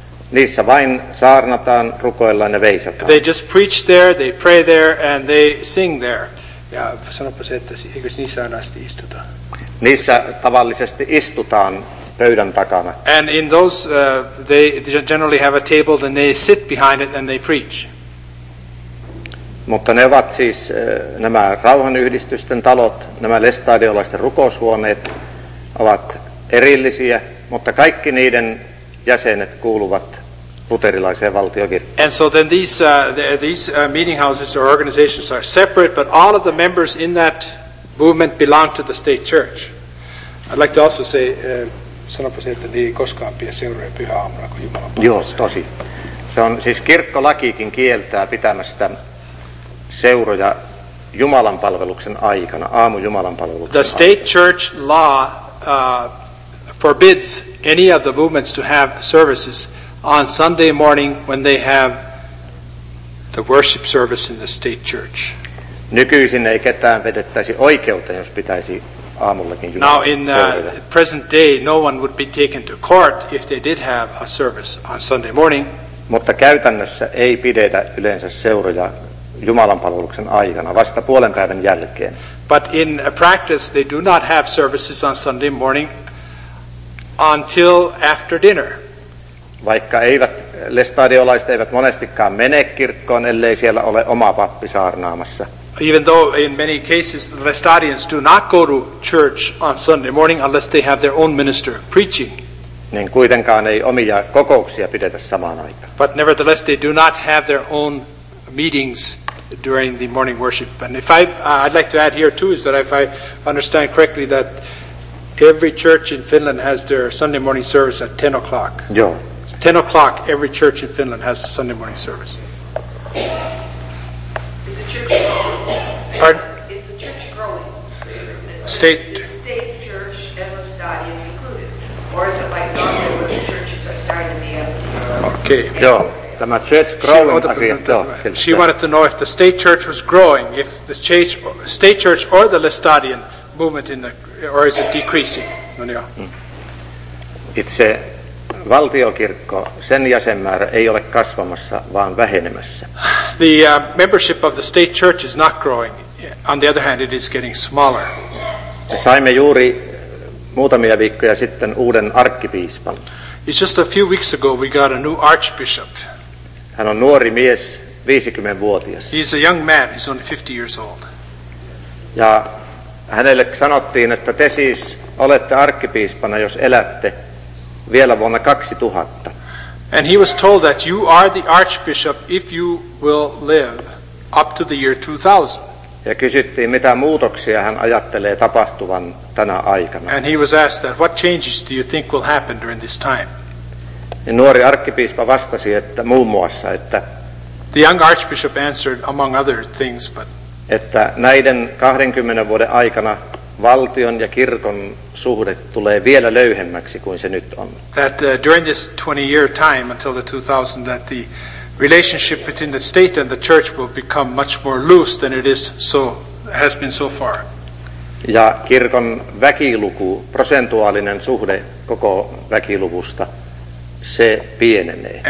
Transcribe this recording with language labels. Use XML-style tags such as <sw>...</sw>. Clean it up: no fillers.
<fi>Niissä vain saarnataan, rukoillaan ja veisataan.</fi> <en>They just preach there, they pray there, and they sing there.</en> <fi>Ja sanoppa se, että eikö niissä ainoasti istuta? Niissä tavallisesti istutaan pöydän takana.</fi> <en>And in those, they generally have a table, and they sit behind it, and they preach.</en> <fi>Mutta ne ovat siis nämä rauhanyhdistysten talot, nämä lestadiolaisten rukoushuoneet, ovat erillisiä, mutta kaikki niiden jäsenet kuuluvat luterilaiseen valtiokirkkoon.</fi> <en>And so then these meeting houses or organizations are separate, but all of the members in that movement belong to the state church. I'd like to also say,</en> <fi>sanopa se, että ei koskaan pidä seuraa pyhä aamuna, kun Jumala palaa. Joo, tosi. Se on siis kirkkolakikin kieltää pitämästä seuroja Jumalan palveluksen aikana, aamu Jumalan palveluksen aikana.</fi> <en>The state church law forbids any of the movements to have services on Sunday morning when they have the worship service in the state church.</en> <fi>Nykyisin ei ketään vedettäisi oikeuteen, jos pitäisi aamullakin Jumalan</fi> <en>Now in present day, no one would be taken to court if they did have a service on Sunday morning.</en> <fi>Mutta käytännössä ei pidetä yleensä seuroja Jumalan palveluksen aikana, vasta puolen päivän jälkeen.</fi> <en>But in practice, they do not have services on Sunday morning until after dinner.</en> <fi>Vaikka eivät lestadiolaiset eivät monestikaan mene kirkkoon, ellei siellä ole oma pappi saarnaamassa.</fi> <en>Even though in many cases lestadians do not go to church on Sunday morning unless they have their own minister preaching.</en> <fi>Niin kuitenkaan ei omia kokouksia pidetä samaan aikaan.</fi> <en>But nevertheless, they do not have their own meetings during the morning worship. And if I'd like to add here too is that if I understand correctly that every church in Finland has their Sunday morning service at 10 o'clock.</en> <fi>Joo.</fi> <en>It's 10 o'clock every church in Finland has a Sunday morning service. Is the church growing? State church, Evangelistadion included? Or is it like not the church is starting to be empty? Okay.</en> <fi>Joo. Tämä</fi> <en>church growing</en> <fi>asia.</fi> <en>She wanted to know if the state church was growing, if the state church or the Lestadian movement in the or is it decreasing?</en> <fi>No niin. Itse valtiokirkko, sen jäsenmäärä ei ole kasvamassa, vaan vähenemässä.</fi> <en>The membership of the state church is not growing. On the other hand, it is getting smaller.</en> <fi>Me saimme juuri muutamia viikkoja sitten uuden arkkipiispan.</fi> <en>It's just a few weeks ago we got a new archbishop.</en> <fi>Hän on nuori mies, 50-vuotias.</fi> <en>He's a young man, he's only 50 years old.</en> <fi>Ja hänelle sanottiin, että te siis olette arkkipiispana, jos elätte vielä vuonna 2000.</fi> <en>And he was told that you are the archbishop if you will live up to the year 2000.</en> <fi>Ja kysyttiin, mitä muutoksia hän ajattelee tapahtuvan tänä aikana.</fi> <en>And he was asked that, what changes do you think will happen during this time?</en> <fi>Ja nuori arkkipiispa vastasi, että muun muassa, että</fi> <en>the young archbishop answered among other things, but</en> <fi>että näiden 20 vuoden aikana valtion ja kirkon suhde tulee vielä löyhemmäksi kuin se nyt on.</fi> <en>That during this 20-year time until the 2000, that the relationship between the state and the church will become much more loose than it is so has been so far.</en> <fi>Ja kirkon väkiluku, prosentuaalinen suhde koko väkiluvusta, se pienenee.</fi>